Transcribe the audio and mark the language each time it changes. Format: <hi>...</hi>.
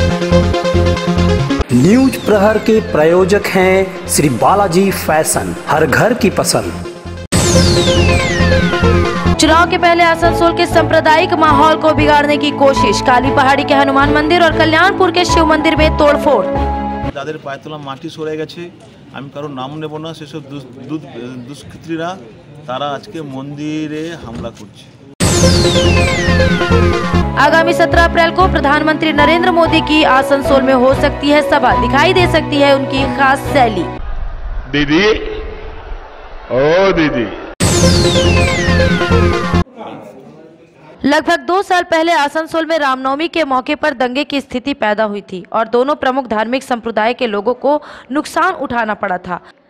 <hi>प्रहर के प्रायोजक हैं श्री बालाजी फैशन, हर घर की पसंद। चुनाव के पहले आसनसोल के सांप्रदायिक माहौल को बिगाड़ने की कोशिश, काली पहाड़ी के हनुमान मंदिर और कल्याणपुर के शिव मंदिर में तोड़फोड़।</hi> <bn>যাদের পায়ে তোলা মাটি সরে গেছে, আমি কারো নাম নেব না, সেসব দুষ্কৃতীরা তারা আজকে মন্দিরে হামলা করছে।</bn> <hi>आगामी 17 अप्रैल को प्रधानमंत्री नरेंद्र मोदी की आसनसोल में हो सकती है सभा, दिखाई दे सकती है उनकी खास शैली। दीदी ओ दीदी, लगभग 2 साल पहले आसनसोल में रामनवमी के मौके पर दंगे की स्थिति पैदा हुई थी और दोनों प्रमुख धार्मिक संप्रदाय के लोगों को नुकसान उठाना पड़ा था।</hi>